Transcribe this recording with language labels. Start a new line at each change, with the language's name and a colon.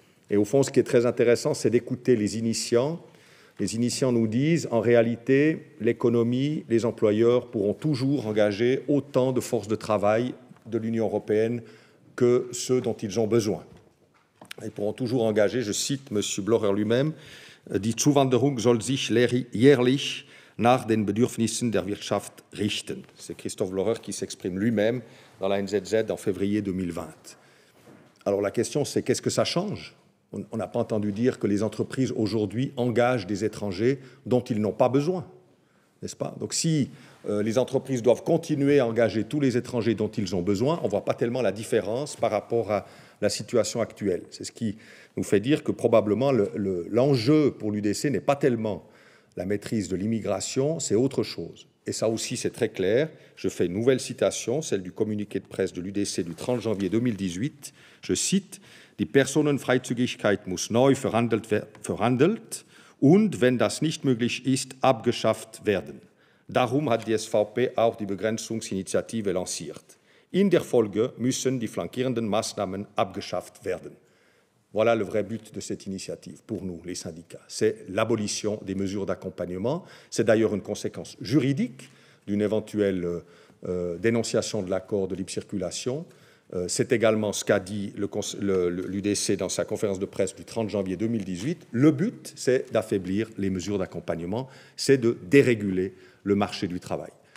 French: Et au fond, ce qui est très intéressant, c'est d'écouter les initiants. Les initiants nous disent, en réalité, l'économie, les employeurs pourront toujours engager autant de forces de travail de l'Union européenne que ceux dont ils ont besoin. Ils pourront toujours engager, je cite M.
German: Blocher
French: lui-même,
German: « Die Zuwanderung soll sich jährlich nach den Bedürfnissen der Wirtschaft richten ».
French: C'est Christophe Blocher qui s'exprime lui-même dans la NZZ en février 2020. Alors la question, c'est qu'est-ce que ça change ? On n'a pas entendu dire que les entreprises aujourd'hui engagent des étrangers dont ils n'ont pas besoin, n'est-ce pas ? Donc si les entreprises doivent continuer à engager tous les étrangers dont ils ont besoin, on ne voit pas tellement la différence par rapport à la situation actuelle. C'est ce qui nous fait dire que probablement l'enjeu pour l'UDC n'est pas tellement la maîtrise de l'immigration, c'est autre chose. Et ça aussi, c'est très clair. Je fais une nouvelle citation, celle du communiqué de presse de l'UDC du 30 janvier 2018. Je cite
German: « Die Personenfreizügigkeit muss neu verhandelt und, wenn das nicht möglich ist, abgeschafft werden. Darum hat die SVP auch die Begrenzungsinitiative lanciert. In der Folge müssen die flankierenden Maßnahmen abgeschafft werden.
French: » Voilà le vrai but de cette initiative pour nous, les syndicats. C'est l'abolition des mesures d'accompagnement. C'est d'ailleurs une conséquence juridique d'une éventuelle dénonciation de l'accord de libre circulation. C'est également ce qu'a dit l'UDC dans sa conférence de presse du 30 janvier 2018. Le but, c'est d'affaiblir les mesures d'accompagnement, c'est de déréguler le marché du travail.